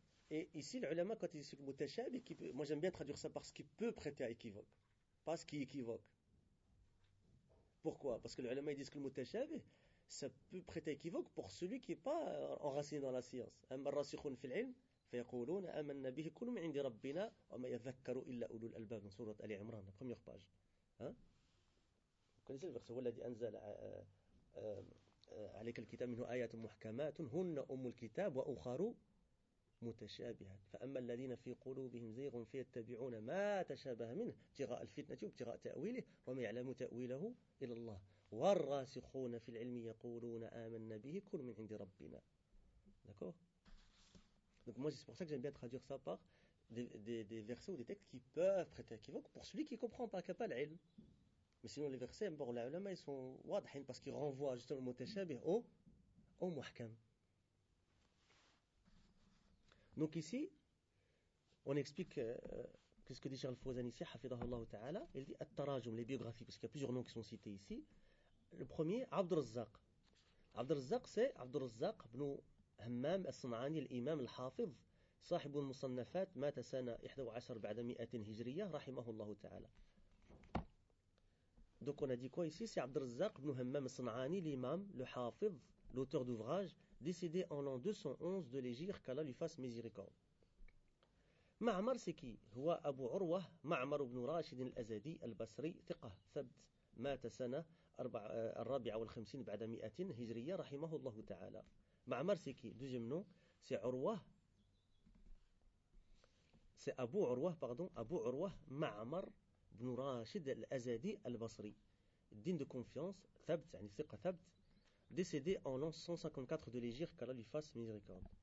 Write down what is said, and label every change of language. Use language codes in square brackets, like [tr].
[fr] Et ici, le ulama, quand il dit ce mutashab, moi j'aime bien traduire ça par ce qu'il peut prêter à équivoque, pas ce qui équivoque. Pourquoi? Parce que le ulama, il dit ce que le mutashab, ça peut prêter à équivoque pour celui qui n'est pas enraciné dans la science. [ar] Amma rasikhun fil ilm, فيقولون آمنا به كل من عند ربنا وما يذكر إلا أولو الألباب من سورة آل عمران [fr] première page. Connaissez le verset [ar] والذي أنزل عليك الكتاب منه آيات محكمات هن أم الكتاب وأخر متشابهات فأما الذين في قلوبهم زيغ فيتبعون ما تشابه منه ابتغاء الفتنة وابتغاء تأويله وما يعلم تأويله إلا الله والراسخون في العلم يقولون آمنا به كل من عند ربنا. [fr] D'accord. Donc moi, c'est pour ça que j'aime bien traduire ça par des versets ou des textes qui peuvent prêter à équivoque pour celui qui ne comprend pas, qui n'a pas l'ilm. Mais sinon, les versets, bon, les ulama, ils sont wadhin parce qu'ils renvoient justement le mutashabih au muhkam. Donc ici, on explique ce que dit Charles Fouzan ici, Hafidahullah Ta'ala, il dit At-Tarajum, les biographies, parce qu'il y a plusieurs noms qui sont cités ici. Le premier, Abdurrazzaq. [ar] Abdurrazzaq, c'est Abdurrazzaq, ibn Hammam, As-Sanani, l'imam, l'hafiz, صاحب المصنفات مات سنة 11 بعد 100 هجرية رحمه الله تعالى. [fr] Donc on a dit quoi ici? C'est عبد الرزاق بن همام الصنعاني l'imam, le hafiz, l'auteur d'ouvrage, décédé en l'an 211 de l'Hégire, qu'Allah lui fasse miséricorde. معمر c'est qui? [ar] هو أبو عروة معمر بن راشد الأزدي البصري ثقة ثبت مات سنة 54 بعد 100 هجرية رحمه الله تعالى. [fr] معمر c'est qui? Deuxième nom, c'est عروة. C'est Abu Urwah, pardon, Abu Urwah Ma'amar ibn Rashid al-Azadi al-Basri, digne de confiance, Thabt, [ar] yani Thiqa Thabt, [fr] décédé en l'an 154 de l'Hégire, qu'Allah lui fasse miséricorde.